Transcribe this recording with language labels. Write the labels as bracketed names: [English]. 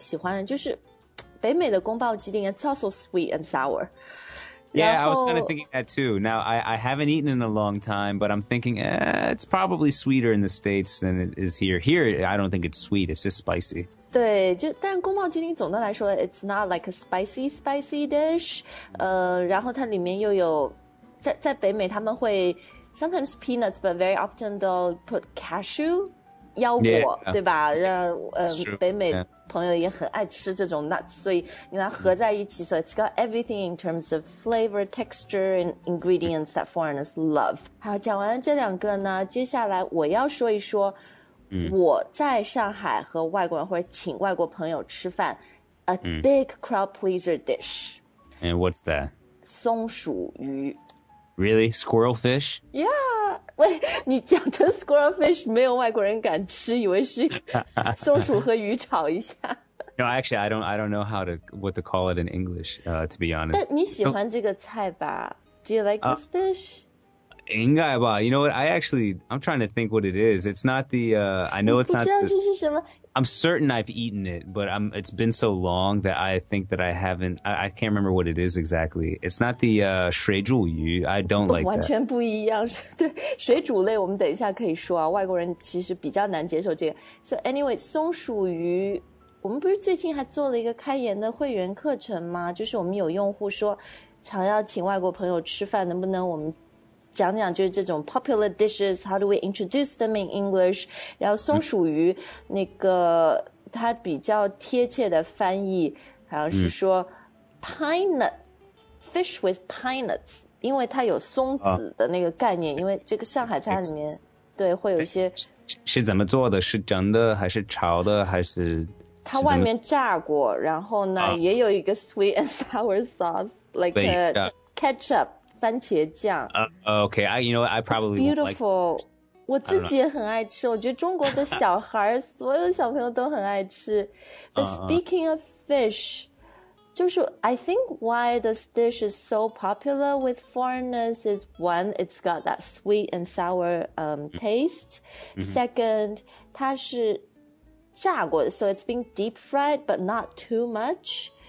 [Chinese] 对。对,然后而且呢,我觉得很多外国朋友喜欢的就是北美的宫保鸡丁, [English] it's also sweet and sour. Yeah, I was kind of thinking that too. Now, I haven't eaten in a long time, but I'm thinking, it's probably sweeter in the States than it is here. Here, I don't think it's sweet, it's just spicy. [Chinese] 对, 但宫保鸡丁总的来说, [English] it's not like a spicy, spicy dish. [Chinese] 然后它里面又有, 在北美他们会, [English] sometimes peanuts, but very often they'll put cashew, 腰果, yeah. [Chinese] 对吧? Yeah. 北美朋友也很爱吃这种nuts, 所以你把它合在一起, [English] so it's got everything in terms of flavor, texture, and ingredients that foreigners love. [Chinese] 好, 讲完了这两个呢, 接下来我要说一说, 我在上海和外国人或者请外国朋友吃饭 [English] A big crowd pleaser dish. And what's that? [Chinese] 松鼠鱼. [English] Really? Squirrel fish? Yeah. [Chinese] 喂,你讲成 squirrel fish 没有外国人敢吃, 以为是松鼠和鱼炒一下. [English] No, actually, I don't know how to what to call it in English, to be honest. [Chinese] 但你喜欢这个菜吧? [English] Do you like this dish? You know what? I'm trying to think what it is. It's not the, I know it's not the, I'm certain I've eaten it, but it's been so long that I think that I haven't, I can't remember what it is exactly. It's not the, 水煮鱼. I don't like that. [Chinese] 完全不一样. 水煮类我们等一下可以说啊, 外国人其实比较难接受这个. [English] So anyway, [Chinese] 松鼠鱼, 我们不是最近还做了一个开源的会员课程吗? 就是我们有用户说, 常要请外国朋友吃饭, 能不能我们 讲讲就是这种 [English] popular dishes, how do we introduce them in English? [Chinese] 然后松鼠鱼, 那个它比较贴切的翻译, 好像是说 [English] pine nut, fish with pine nuts, [Chinese] 因为它有松子的那个概念, 因为这个上海菜里面, 对,会有一些, 是怎么做的?是蒸的?还是炒的?还是, 它外面炸过, 然后呢, 也有一个 [English] sweet and sour sauce, like a ketchup. [Chinese] 番茄酱 [English] okay, you know what, I probably won't like it. It's beautiful. [Chinese] 我自己也很爱吃, 我觉得中国的小孩, 所有小朋友都很爱吃. [English] But speaking of fish, 就是, I think why this dish is so popular with foreigners is one, it's got that sweet and sour taste. Second, [Chinese] 它是炸过的, [English] so it's been deep fried, but not too much.